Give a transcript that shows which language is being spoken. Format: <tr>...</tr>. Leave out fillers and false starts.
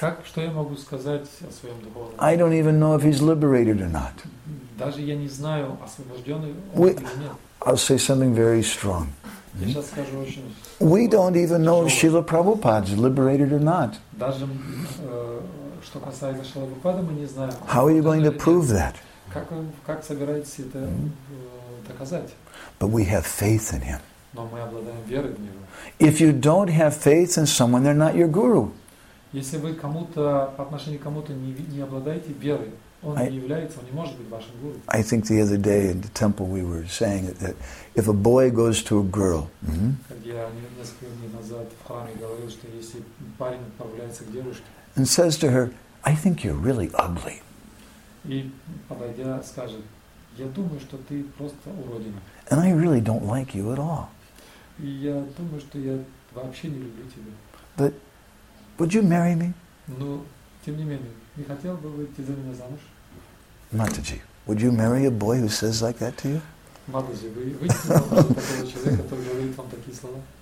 <ru>Как, что я могу сказать о своем духовном?</ru> <en>I don't even know if he's liberated or not.</en> <ru>Даже я не знаю, освобожденный он или нет.</ru> <en>I'll say something very strong.</en> <ru>Я сейчас скажу очень.</ru> <en>We don't even know if Srila Prabhupada's liberated or not.</en> <ru>Даже что касается Шрилы Прабхупады, мы не знаем.</ru> <en>How are you going to prove that?</en> <ru>Как собираетесь это доказать?</ru> <en>But we have faith in him.</en> <ru>Но мы обладаем верой в него.</ru> <en>If you don't have faith in someone, they're not your guru.</en> <ru>Если вы кому-то по отношению к кому-то не обладаете верой, он не является, он не может быть вашим гуру.</ru> <en>I think the other day in the temple we were saying that if a boy goes to a girl,</en> <ru>я несколько дней назад в храме говорил, что если парень отправляется к девушке,</ru> <en>and says to her, I think you're really ugly.</en> <ru>И подойдя скажет, я думаю, что ты просто уродин.</ru> <en>And I really don't like you at all.</en> <ru>И я думаю, что я вообще не люблю тебя.</ru> <en>But would you marry me?</en> <ru>Но тем не менее, не хотел бы выйти за меня замуж?</ru> <en>Матаджи, would you marry a boy who says like that to you?</en> <ru>Матаджи, вы выйдете за такого человека, который говорит вам такие слова?</ru>